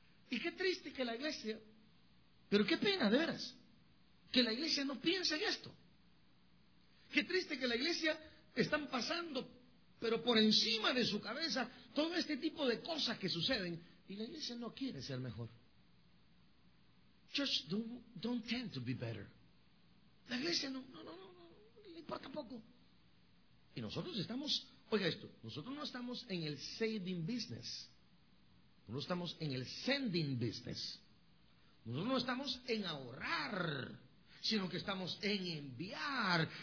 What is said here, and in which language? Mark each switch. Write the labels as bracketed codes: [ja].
[es] Y qué triste que la iglesia, pero qué pena, de veras, que la iglesia no piense en esto. Qué triste que la iglesia están pasando, pero por encima de su cabeza, todo este tipo de cosas que suceden, y la iglesia no quiere ser mejor. [en] Church don't tend to be better. [es] La iglesia no le importa poco. Y nosotros estamos, oiga esto, nosotros no estamos en el [en] saving business. [es] No estamos en el [en] sending business. [es] Nosotros no estamos en ahorrar, sino que estamos en enviar.